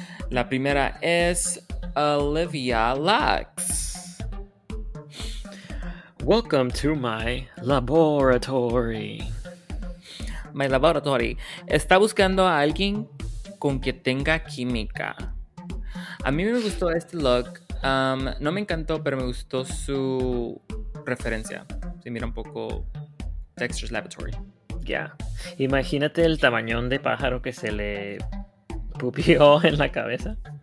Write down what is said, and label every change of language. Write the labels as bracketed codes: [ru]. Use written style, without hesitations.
[es] La primera es Olivia Lux. [en] Welcome to my laboratory. My laboratory. [es] Está buscando a alguien con que tenga química. A mí me gustó este look. No me encantó, pero me gustó su referencia. Se mira un poco Dexter's Laboratory. [en] Yeah. [es] Imagínate el tamaño de pájaro que se le pupió en la cabeza.